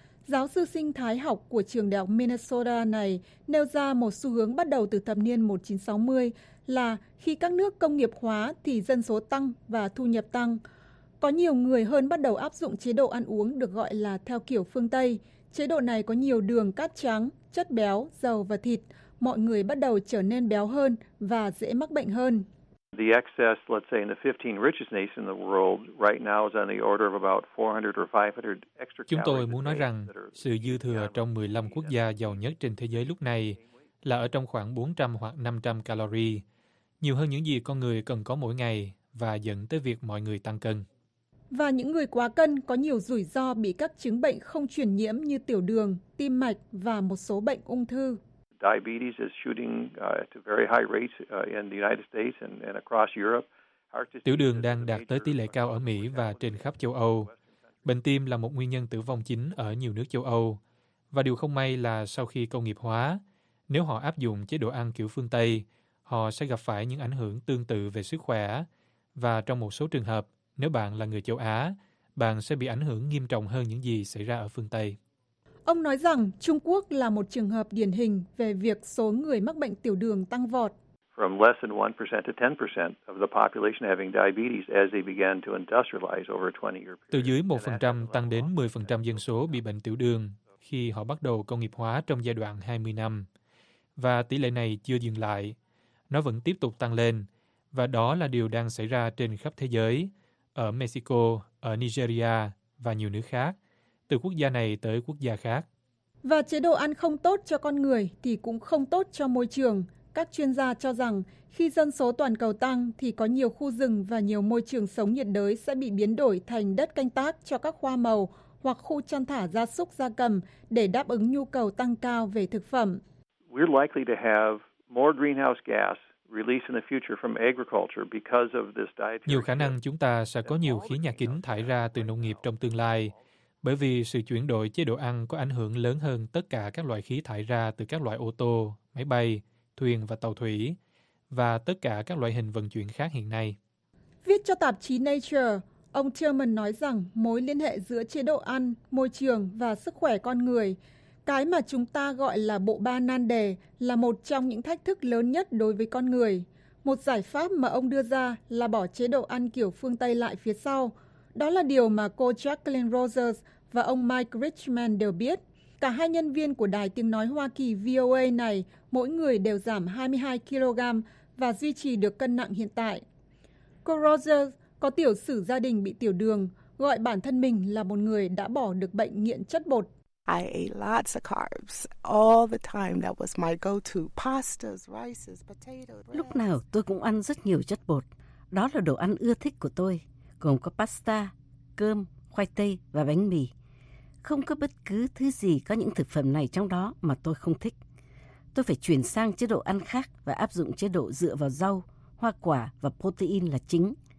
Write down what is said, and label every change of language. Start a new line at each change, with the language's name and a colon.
Vietnamese: Giáo sư sinh thái học của trường đại học Minnesota này nêu ra một xu hướng bắt đầu từ thập niên 1960 là khi các nước công nghiệp hóa thì dân số tăng và thu nhập tăng. Có nhiều người hơn bắt đầu áp dụng chế độ ăn uống được gọi là theo kiểu phương Tây. Chế độ này có nhiều đường, cát trắng, chất béo, dầu và thịt. Mọi người bắt đầu trở nên béo hơn và dễ mắc bệnh hơn.
English: The excess, let's say, in the 15 richest nations in the world right now is on the order of about 400 or 500 extra calories.
Vietnamese: Chúng tôi muốn nói rằng sự dư thừa trong 15 quốc gia giàu nhất trên thế giới lúc này là ở trong khoảng 400 hoặc 500 calories, nhiều hơn những gì con người cần có mỗi ngày và dẫn tới việc mọi người tăng cân. Và những người quá cân có nhiều rủi ro bị các chứng bệnh không truyền nhiễm như tiểu đường, tim mạch và một số bệnh ung thư.
English: Diabetes is shooting at a very high rate in the United States and across Europe.
Vietnamese: Tiểu đường đang đạt tới tỷ lệ cao ở Mỹ và trên khắp châu Âu. Bệnh tim là một nguyên nhân tử vong chính ở nhiều nước châu Âu. Và điều không may là sau khi công nghiệp hóa, nếu họ áp dụng chế độ ăn kiểu phương Tây, họ sẽ gặp phải những ảnh hưởng tương tự về sức khỏe. Và trong một số trường hợp, nếu bạn là người châu Á, bạn sẽ bị ảnh hưởng nghiêm trọng hơn những gì xảy ra ở phương Tây. Ông nói rằng Trung Quốc là một trường hợp điển hình về việc số người mắc bệnh tiểu đường tăng vọt.
English: From less than 1% to 10% of the population having diabetes as they began to industrialize over a 20-year period.
Vietnamese: Từ dưới 1% tăng đến 10% dân số bị bệnh tiểu đường khi họ bắt đầu công nghiệp hóa trong giai đoạn 20 năm. Và tỷ lệ này chưa dừng lại. Nó vẫn tiếp tục tăng lên. Và đó là điều đang xảy ra trên khắp thế giới, ở Mexico, ở Nigeria và nhiều nước khác. Từ quốc gia này tới quốc gia khác. Và chế độ ăn không tốt cho con người thì cũng không tốt cho môi trường. Các chuyên gia cho rằng khi dân số toàn cầu tăng thì có nhiều khu rừng và nhiều môi trường sống nhiệt đới sẽ bị biến đổi thành đất canh tác cho các hoa màu hoặc khu chăn thả gia súc gia cầm để đáp ứng nhu cầu tăng cao về thực phẩm.
English: We're likely to have more greenhouse gas released in the future from agriculture because of this dietary.
Vietnamese: Nhiều khả năng chúng ta sẽ có nhiều khí nhà kính thải ra từ nông nghiệp trong tương lai. Bởi vì sự chuyển đổi chế độ ăn có ảnh hưởng lớn hơn tất cả các loại khí thải ra từ các loại ô tô, máy bay, thuyền và tàu thủy, và tất cả các loại hình vận chuyển khác hiện nay. Viết cho tạp chí Nature, ông Tillman nói rằng mối liên hệ giữa chế độ ăn, môi trường và sức khỏe con người, cái mà chúng ta gọi là bộ ba nan đề, là một trong những thách thức lớn nhất đối với con người. Một giải pháp mà ông đưa ra là bỏ chế độ ăn kiểu phương Tây lại phía sau. Đó là điều mà cô Jacqueline Rogers và ông Mike Richman đều biết. Cả hai nhân viên của Đài Tiếng Nói Hoa Kỳ VOA này, mỗi người đều giảm 22kg và duy trì được cân nặng hiện tại. Cô Rogers có tiểu sử gia đình bị tiểu đường, gọi bản thân mình là một người đã bỏ được bệnh nghiện chất bột.
English: I ate lots of carbs all the time. That was my go-to. Pastas, rices, potatoes.
Vietnamese: Lúc nào tôi cũng ăn rất nhiều chất bột. Đó là đồ ăn ưa thích của tôi. Gồm có pasta, cơm, khoai tây và bánh mì. Không có bất cứ thứ gì có những thực phẩm này trong đó mà tôi không thích. Tôi phải chuyển sang chế độ ăn khác và áp dụng chế độ dựa vào rau, hoa quả và protein là chính.